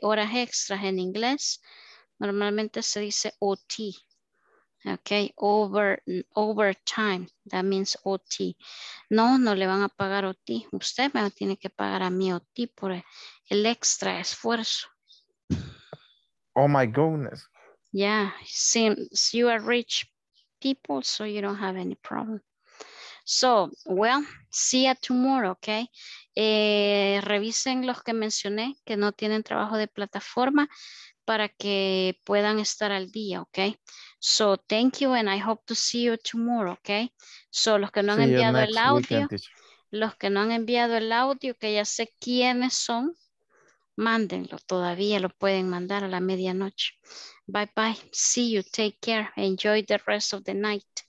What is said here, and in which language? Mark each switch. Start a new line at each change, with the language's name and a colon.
Spanish: Horas extras en inglés. Normalmente se dice OT, ¿ok?
English: Overtime, that means OT.
Spanish: No, no le van a pagar OT. Usted me tiene que pagar a mí OT por el extra esfuerzo.
English: Oh, my goodness. Yeah, since you are rich people, so you don't have any problem. So, well, see you tomorrow, okay?
Spanish: Revisen los que mencioné que no tienen trabajo de plataforma para que puedan estar al día, okay?
English: So, thank you and I hope to see you tomorrow, okay?
Spanish: So, los que no han enviado el audio, los que no han enviado el audio, que ya sé quiénes son, mándenlo, todavía lo pueden mandar a la medianoche.
English: Bye bye, see you, take care, enjoy the rest of the night.